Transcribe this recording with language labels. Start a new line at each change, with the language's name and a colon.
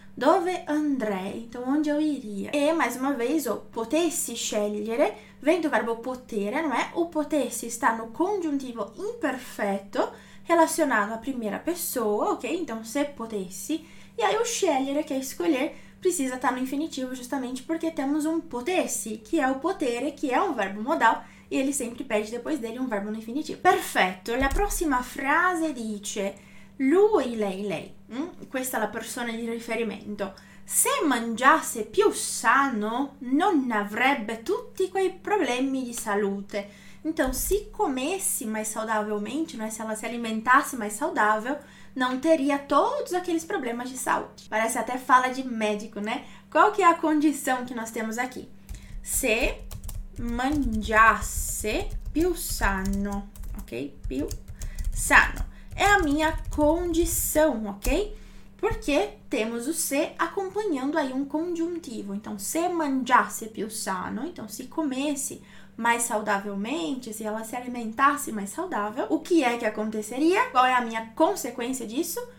Italian: Dove andrei?
Portuguese: Então, onde eu iria? E, mais uma vez, o potessi scegliere vem do verbo potere, não é? O potessi está no congiuntivo imperfeito relacionado à primeira pessoa, ok? Então, se potessi. E aí, o scegliere, que é escolher, precisa estar no infinitivo justamente porque temos um potesse, que é o potere, que é um verbo modal, e ele sempre pede depois dele um verbo no infinitivo. Perfeito!
Italian: La prossima frase dice lui, lei. Questa è la persona di riferimento. Se mangiasse più sano, non avrebbe tutti quei problemi di salute.
Portuguese: Então, se comesse mais saudavelmente, né, se ela se alimentasse mais saudável, não teria todos aqueles problemas de saúde. Parece até fala de médico, né? Qual que é a condição que nós temos aqui?
Italian: Se mangiasse più sano, ok?
Portuguese: Più sano. É a minha condição, ok? Porque temos o se acompanhando aí um conjuntivo. Então,
Italian: se mangiasse più sano,
Portuguese: então se comesse mais saudavelmente, se ela se alimentasse mais saudável, o que é que aconteceria? Qual é a minha consequência disso?